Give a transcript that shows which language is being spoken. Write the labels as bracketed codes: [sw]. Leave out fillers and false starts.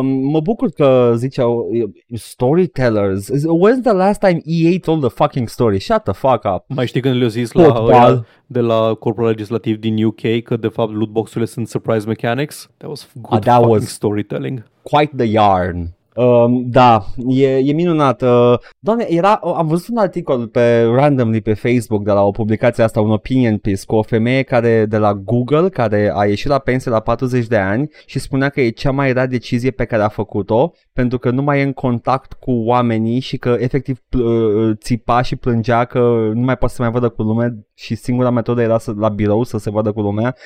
[ro] Mă bucur că ziceau storytellers. [en] When's the last time EA told the fucking story? Shut the fuck up. [ro] Mai știi când le-au zis football. La de la corpul legislativ din UK că de fapt lootbox-urile sunt surprise mechanics? [en] That was good that fucking was storytelling. Quite the yarn. [ro] Da, e minunat. Doamne, am văzut un articol pe randomly pe Facebook de la o publicație asta, un [en] opinion piece [ro] cu o femeie care de la Google, care a ieșit la pensie la 40 de ani și spunea că e cea mai rea decizie pe care a făcut-o, pentru că nu mai e în contact cu oamenii și că efectiv țipa și plângea că nu mai poate să mai vadă cu lumea și singura metodă era să, la birou să se vadă cu lumea.